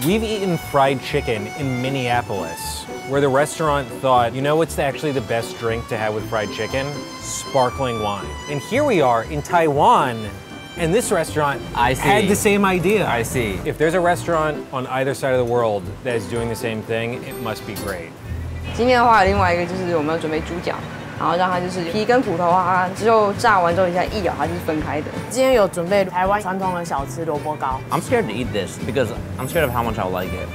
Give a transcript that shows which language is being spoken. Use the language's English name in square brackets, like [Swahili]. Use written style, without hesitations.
[English] We've eaten fried chicken in Minneapolis, where the restaurant thought, you know what's actually the best drink to have with fried chicken? Sparkling wine. And here we are in Taiwan, and this restaurant had the same idea. I see. If there's a restaurant on either side of the world that is doing the same thing, it must be great. [Chinese] 今天的话另外一个就是我们要准备猪脚，然后让它就是皮跟骨头啊，之后炸完之后一下一咬它就是分开的。今天有准备台湾传统的小吃萝卜糕。 [English] I'm scared to eat this because I'm scared of how much I'll like it.